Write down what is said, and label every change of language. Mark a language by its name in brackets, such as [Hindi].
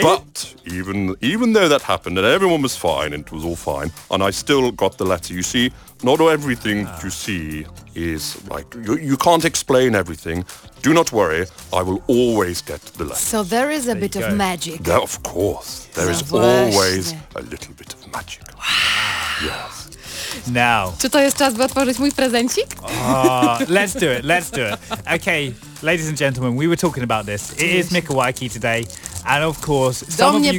[English] But even though that happened and everyone was fine and it was all fine, and I still got the letter. You see, not everything you see is like, you can't explain everything. Do not worry, I will always get the letter. So there is a bit of magic. There, of course. There is always a little bit of magic. Wow. Yes. Now. [Polish] Czy to jest czas, by otworzyć mój prezencik? [English] Let's do it, let's do it. Okay, ladies and gentlemen, we were talking about this. It is Mikołajki today, and of course, some of you guys...